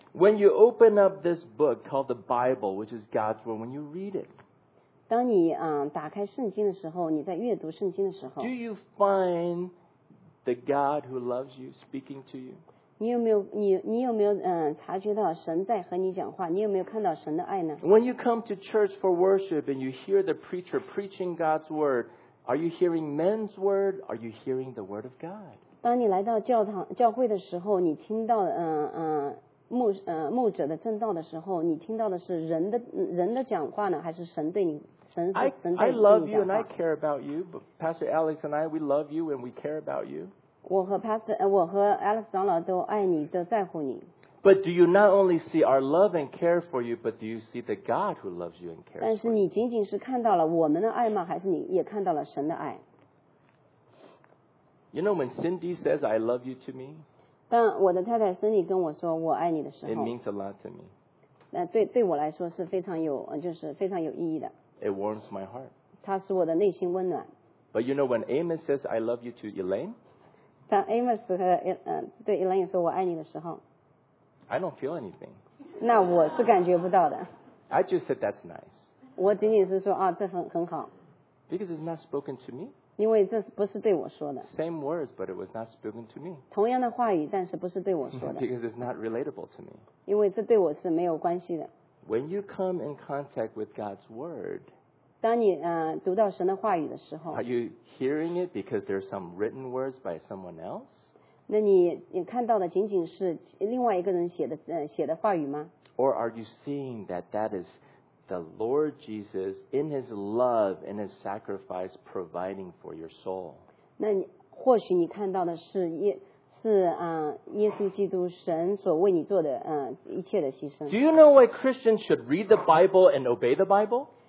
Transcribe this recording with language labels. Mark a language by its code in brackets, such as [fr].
[en] When you open up this book called the Bible, which is God's word, when you read it, [zh] 当你打开圣经的时候，你在阅读圣经的时候， [en] Do you find the God who loves you speaking to you? [zh] 你有没有察觉到神在和你讲话？你有没有看到神的爱呢？ [en] When you come to church for worship and you hear the preacher preaching God's word, are you hearing men's word? Are you hearing the word of God? [zh] 当你来到教会的时候，你听到牧者的证道的时候，你听到的是人的讲话呢，还是神对你神所对你的话？ [en] I love you and I care about you, but Pastor Alex and I, we love you and we care about you. [zh] 我和 Alex 长老都爱你，都在乎你。 [en] But do you not only see our love and care for you, but do you see the God who loves you and cares for you? [zh] 但是你仅仅是看到了我们的爱吗？还是你也看到了神的爱？ [en] You know when Cindy says I love you to me? [zh] 当我的太太 Cindy 跟我说我爱你的时候， [en] It means a lot to me. [zh] 那对我来说是非常有，就是非常有意义的。 [en] It warms my heart. [zh] 它使我的内心温暖。 [en] But you know when Amos says I love you to Elaine? [zh] 当 Amos 和对 Elaine 说"我爱你"的时候 [en] ，I don't feel anything. [zh] 那我是感觉不到的。 [en] I just said that's nice. [zh] 我仅仅是说啊，这很好。 [en] Because it's not spoken to me. [zh] 因为这不是对我说的。 [en] Same words, but it was not spoken to me. [zh] 同样的话语，但是不是对我说的。 [en] Because it's not relatable to me. [zh] 因为这对我是没有关系的。 [en] When you come in contact with God's word. [zh] 当你读到神的话语的时候， [en] Are you hearing it because there's some written words by someone else? [zh] 那你看到的仅仅是另外一个人写的话语吗？ [en] Or are you seeing that is the Lord Jesus in His love and His sacrifice providing for your soul? [zh] 那你或许你看到的是是耶稣基督神所为你做的一切的牺牲。 [en] Do you know why Christians should read the Bible and obey the Bible?